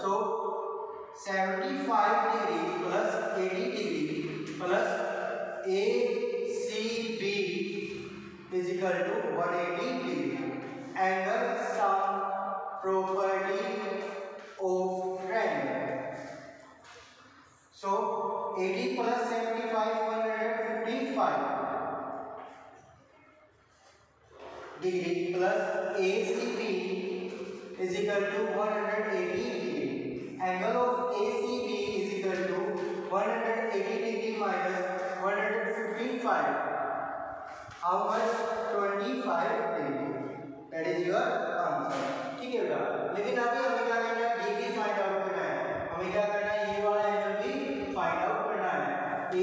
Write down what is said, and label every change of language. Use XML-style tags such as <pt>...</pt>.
<en>So 75 degrees + 80 degrees + ACB = 180 degrees angle sum property of triangle. So 80 + 75 = 155 degrees + ACB = 180 degrees angle of ACB = 180 degrees - 155 How much? 25 degrees That is your answer.</en> <hi>ठीक है बेटा। लेकिन अभी हमें क्या करना है, डी भी फाइंड आउट करना है। हमें क्या करना है, ये वाला एंगल भी फाइंड आउट करना है।</hi>